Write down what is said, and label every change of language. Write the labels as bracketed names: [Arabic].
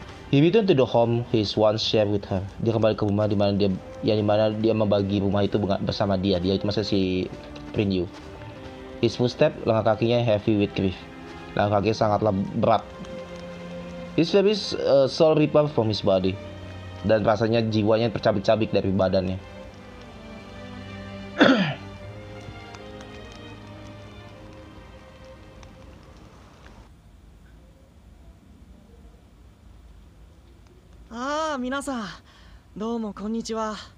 [English] He returned to the home his once shared with her. [Indonesian] Dia kembali ke rumah di mana dia membagi rumah itu bersama dia. Dia itu masih si Rinyu. [English] His footstep, [Indonesian] langkah kakinya [English] heavy with grief. [Indonesian] Langkah kakinya sangatlah berat. [English] His face soul ripped from his body. [Indonesian] Dan rasanya jiwanya tercabik-cabik dari badannya. [Japanese] Ah, minasa. Domo, konnichiwa.